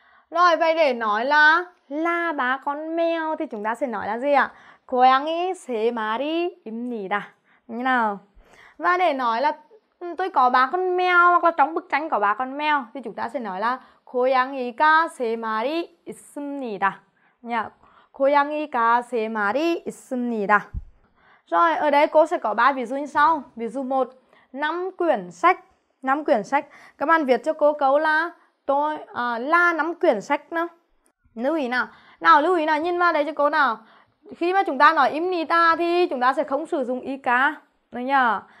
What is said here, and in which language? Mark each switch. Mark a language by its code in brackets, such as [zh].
[vi] Rồi vậy để nói là ba con mèo thì chúng ta sẽ nói là gì ạ? [ko] Koyangi se mari imnida, [vi] được chưa nào? Và để nói là tôi có ba con mèo hoặc là trong bức tranh có ba con mèo thì chúng ta sẽ nói là [ko] 고양이가 세 마리 있습니다. 그냥 고양이가 세 마리 있습니다. [vi] Rồi, ở đây cô sẽ có ba ví dụ như sau. Ví dụ 1, 5 quyển sách. Các bạn viết cho cô câu là tôi là 5 quyển sách nữa. Lưu ý nào. Nào lưu ý nào, nhìn vào đây cho cô nào. Khi mà chúng ta nói imnita thì chúng ta sẽ không sử dụng ika. Đấy nhờ.